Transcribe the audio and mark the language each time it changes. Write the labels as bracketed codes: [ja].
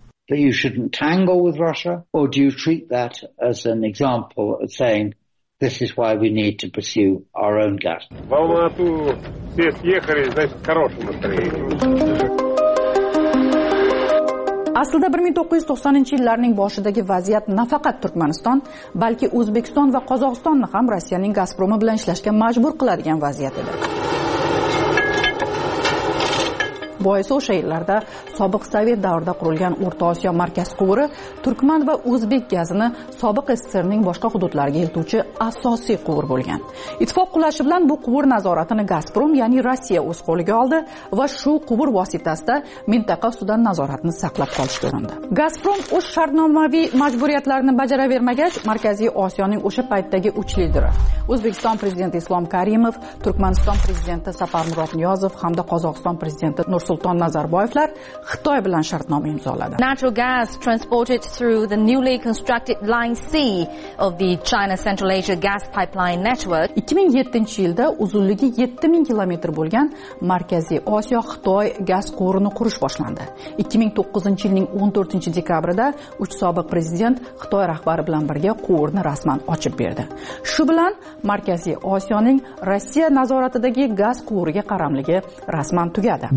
[en] That you shouldn't tangle with Russia, or do you treat that as an example of saying this is why we need to pursue our own gas? [ru] В Алмату все съехали, значит, хорошее настроение. [uz] Aslida 1990-yillarning boshidagi vaziyat nafaqat Turkmaniston, balki O'zbekiston va Qozog'istonni ham Rossiyaning Gazpromi bilan ishlashga majbur qiladigan vaziyat edi. Boisi o'sha yillarda sobiq Sovet davrida qurilgan O'rta Osiyo markaz quvuri turkman va o'zbek gazini sobiq SSRning boshqa hududlariga yetuvchi asosiy quvur bo'lgan. Ittifoq qulashi bilan bu quvur nazoratini Gazprom, ya'ni Rossiya o'z qo'liga oldi va shu quvur vositasida mintaqa ustidan nazoratni saqlab qolishga urindi. Gazprom o'z shartnomaviy majburiyatlarini bajaravermagach, Markaziy Osiyoning o'sha paytdagi uch lideri O'zbekiston prezidenti Islom Karimov, Turkmaniston prezidenti Safar Murod Niyozov hamda Qozog'iston prezidenti Nursulton Nazarboyevlar Xitoy bilan shartnoma imzoladi. [en] Natural gas transported through the newly constructed line C of the China Central Asia gas pipeline network. [uz] 2007 yilda uzunligi 7000 km bo'lgan Markaziy Osiyo Xitoy gaz quvurini qurish boshlandi. 2009 yilning 14 dekabrida uch sobiq prezident Xitoy rahbari bilan birga quvurni rasman ochib berdi. Shu bilan Markaziy Osiyoning Rossiya nazoratidagi gaz quvuriga qaramligi rasman tugadi.